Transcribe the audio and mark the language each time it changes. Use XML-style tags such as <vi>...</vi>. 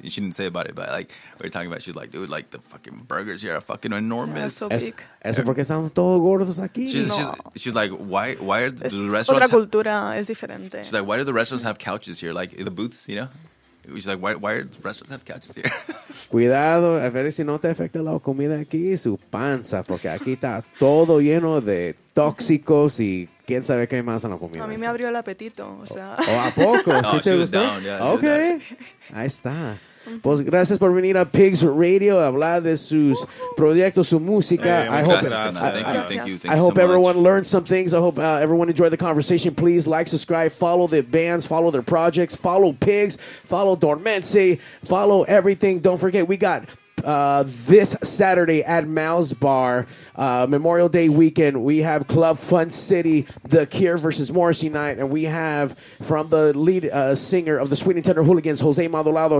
<en>And she didn't say about it, but like we were talking about, she's like, dude, like the fucking burgers here are fucking enormous. Yeah, so big.</en> <es>Eso porque estamos todos gordos aquí.</es> <en>She's like, why are the restaurants...</en> <es>Otra cultura es diferente.</es> <en>She's like, why do the restaurants have couches here? Like the booths, you know? She's like, why are the restaurants have couches here?</en> <es>Cuidado, a ver si no te afecta la comida aquí y su panza, porque aquí está todo lleno de tóxicos y quién sabe qué más en la comida. A mí me abrió el apetito, o sea. ¿O a poco? No, ¿sí te gustó?</es> <en>Down, yeah,</en> <es>ok, ahí está. Pues gracias por venir a Pigs Radio a hablar de sus proyectos, su música.</es> <en>I hope everyone learned some things. I hope everyone enjoyed the conversation. Please like, subscribe, follow the bands, follow their projects, follow Pigs, follow Dormence, follow everything. Don't forget, we got this Saturday at Mal's Bar, Memorial Day weekend, we have Club Fun City, The Cure versus Morrissey night, and we have from the lead singer of the Sweet and Tender Hooligans, Jose Maldolado.</en>